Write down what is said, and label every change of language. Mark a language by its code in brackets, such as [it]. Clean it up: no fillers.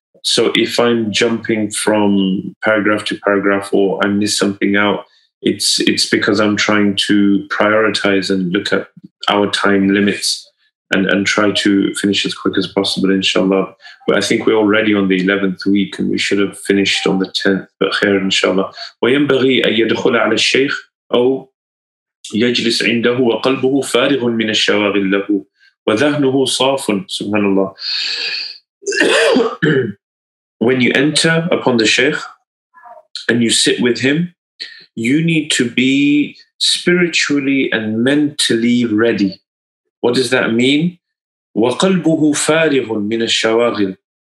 [en] So if I'm jumping from paragraph to paragraph or I miss something out, it's because I'm trying to prioritize and look at our time limits and try to finish as quick as possible, inshallah. But I think we're already on the 11th week and we should have finished on the 10th, but khair, inshallah. [ar] وينبغي أن يدخل على الشيخ أو يجلس عنده وقلبه فارغ من الشواغل له وذهنه صاف. سبحان الله. [en] When you enter upon the Shaykh and you sit with him, you need to be spiritually and mentally ready. What does that mean? [ar] وَقَلْبُهُ فَارِغٌ مِنَ الشَّوَاغِلِ.